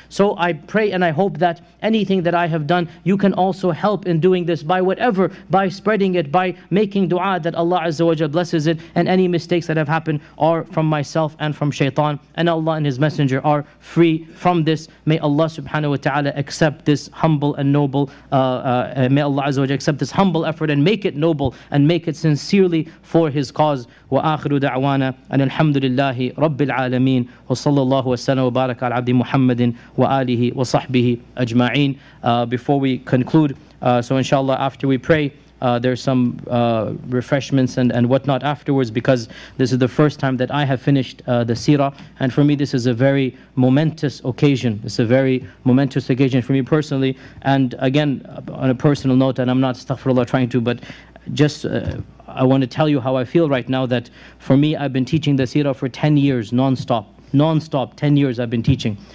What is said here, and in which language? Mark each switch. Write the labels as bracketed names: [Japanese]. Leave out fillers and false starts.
[English] So I pray and I hope that anything that I have done, you can also help in doing this by whatever, by spreading it, by making dua, that Allah Azza wa Jalla blesses it, and any mistakes that have happened are from myself and from shaitan, and Allah and His Messenger are free from this. May Allah subhanahu wa ta'ala accept this humble and noble, may Allah Azza wa Jalla accept this humble effort and make it noble and make it sincerely for His cause. [Arabic] وآخر دعوانا أن الحمد لله رب العالمين وصلى الله وسلم وبارك على عبد محمد وآله وصحبه أجمعين. [English] Before we conclude, so inshallah after we pray, there's some refreshments and whatnot afterwards, because this is the first time that I have finished the seerah, and for me this is a very momentous occasion. It's a very momentous occasion for me personally, and again on a personal note, and I'm not astaghfirullah trying to, but just I want to tell you how I feel right now, that for me, I've been teaching the seerah for 10 years non-stop, 10 years I've been teaching.